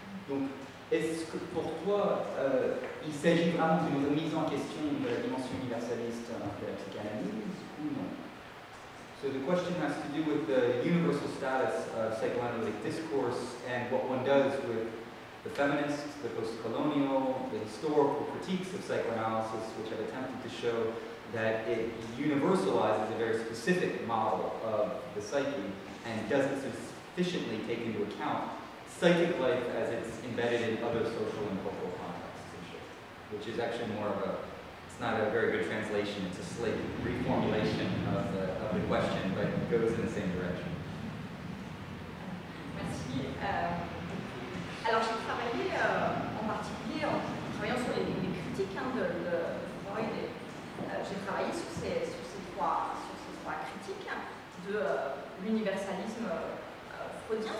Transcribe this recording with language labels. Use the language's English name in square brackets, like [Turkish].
[French] Donc, est-ce que pour toi, il s'agit vraiment d'une remise en question de la dimension universaliste de la psychanalyse ou non? [English] So the question has to do with the universal status of psychoanalytic discourse and what one does with the feminists, the post-colonial, the historical critiques of psychoanalysis, which have attempted to show that it universalizes a very specific model of the psyche and doesn't sufficiently take into account psychic life as it's embedded in other social and cultural contexts, which is actually more of a not a very good translation, it's a slight reformulation of the question, but it goes in the same direction. [French] Merci. Alors, j'ai travaillé en particulier en travaillant sur les critiques de Freud. J'ai travaillé sur ces trois critiques de l'universalisme freudien.